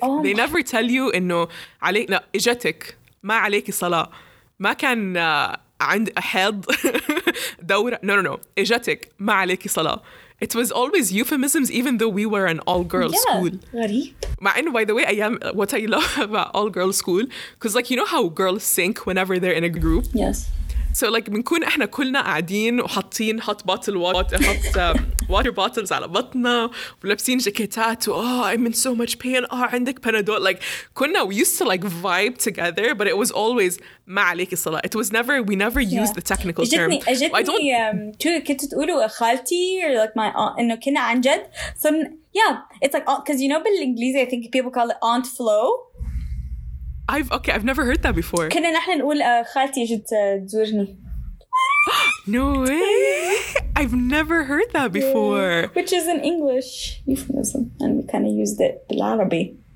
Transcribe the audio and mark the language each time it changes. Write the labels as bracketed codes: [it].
[en] Oh, they never tell you [ar] إنه علينا إجتك ما عليك صلاة ما كان عند أحد دورة no إجتك ما عليك صلاة. [en] It was always euphemisms even though we were an all-girls yeah. school. Yeah, [ar] غريب. [en] By the way, I am what I love about all-girls school because, like, you know how girls sink whenever they're in a group? Yes. [ar] So, like, بنكون إحنا كلنا قاعدين وحطين [en] hot bottle water, hot water bottles [ar] على بطنا ولبسين جاكيتات. [en] Oh, I'm in so much pain. Oh, [ar] عندك panadol. [en] Like, كنا, we used to, like, vibe together, but it was always [ar] ما عليك الصلاة. [en] It was never, we never yeah. used the technical [ar] أجتني, [en] term. [ar] أجتني, كنت تقولوا خالتي [en] or, like, my aunt, [ar] إنه كنا عن جد. [en] So, yeah, it's like, because, you know, [ar] بالإنجليزي, [en] I think people call it aunt Flo. I've never heard that before. [ar] كنا نحن نقول خالتي جت تزورني. [en] No way! I've never heard that before. Yeah. Which is an English euphemism, and we kind of used it بالعربي.